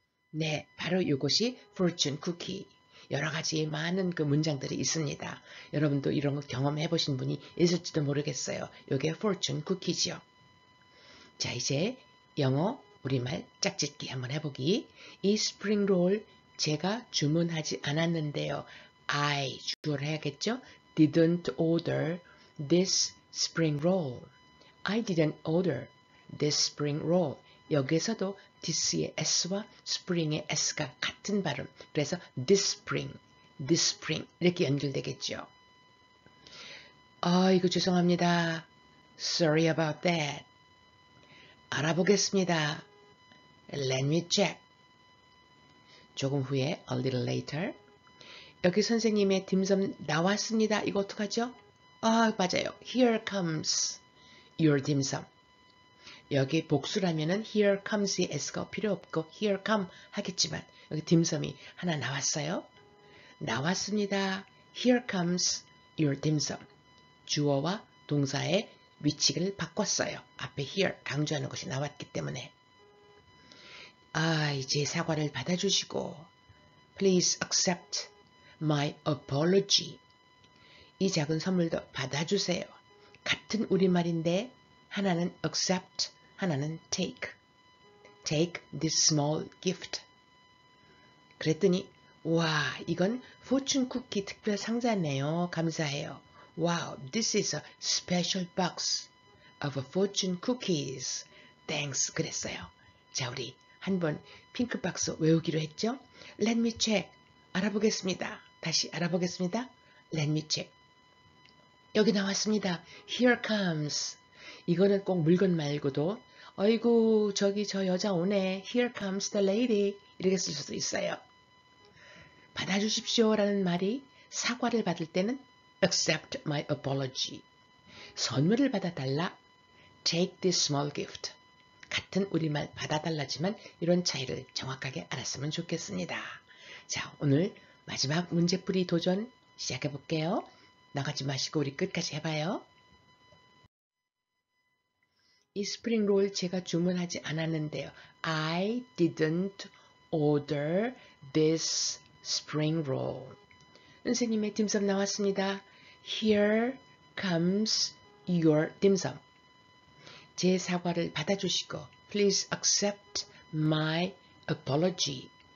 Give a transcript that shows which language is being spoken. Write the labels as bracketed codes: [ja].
[ko] 네, 바로 이것이 fortune cookie. 여러 가지 많은 그 문장들이 있습니다. 여러분도 이런 거 경험해 보신 분이 있을지도 모르겠어요. 이게 fortune cookie죠. 자, 이제 영어 우리말 짝짓기 한번 해보기. 이 spring roll 제가 주문하지 않았는데요. I 주어를 해야겠죠? [en] Didn't order this spring roll. I didn't order this spring roll. [ko] 여기에서도 this의 s와 spring의 s가 같은 발음. 그래서 this spring 이렇게 연결되겠죠. 아, 이거 죄송합니다. [en] Sorry about that. [ko] 알아보겠습니다. [en] Let me check. [ko] 조금 후에 [en] a little later. [ko] 여기 선생님의 딤섬 나왔습니다. 이거 어떡하죠? 아, 맞아요. [en] Here comes your dim sum. [ko] 여기 복수라면은 here comes의 s가 필요 없고 here come 하겠지만 여기 딤섬이 하나 나왔어요. 나왔습니다. [en] Here comes your dim sum. [ko] 주어와 동사의 위치를 바꿨어요. 앞에 here 강조하는 것이 나왔기 때문에. 아, 이제 사과를 받아주시고 [en] please accept my apology. [ko] 이 작은 선물도 받아주세요. 같은 우리말인데 하나는 accept 하나는 [en] take this small gift. [ko] 그랬더니 와, 이건 포춘 쿠키 특별 상자네요. 감사해요. [en] Wow, this is a special box of fortune cookies. Thanks. [ko] 그랬어요. 자, 우리 한번 핑크박스 외우기로 했죠? [en] Let me check. [ko] 알아보겠습니다. 다시 알아보겠습니다. [en] Let me check. [ko] 여기 나왔습니다. [en] Here comes. [ko] 이거는 꼭 물건 말고도 아이고, 저기 저 여자 오네. [en] Here comes the lady. [ko] 이렇게 쓸 수도 있어요. 받아주십시오라는 말이 사과를 받을 때는 [en] accept my apology. [ko] 선물을 받아달라, [en] take this small gift. [ko] 같은 우리말 받아달라지만 이런 차이를 정확하게 알았으면 좋겠습니다. 자, 오늘 마지막 문제풀이 도전 시작해 볼게요. 나가지 마시고 우리 끝까지 해봐요. 이 스프링 롤 제가 주문하지 않았는데요. [en] I didn't order this spring roll. [ko] 선생님의 딤섬 나왔습니다. [en] Here comes your dim sum. [ko] 제 사과를 받아주시고 [en] Please accept my apology.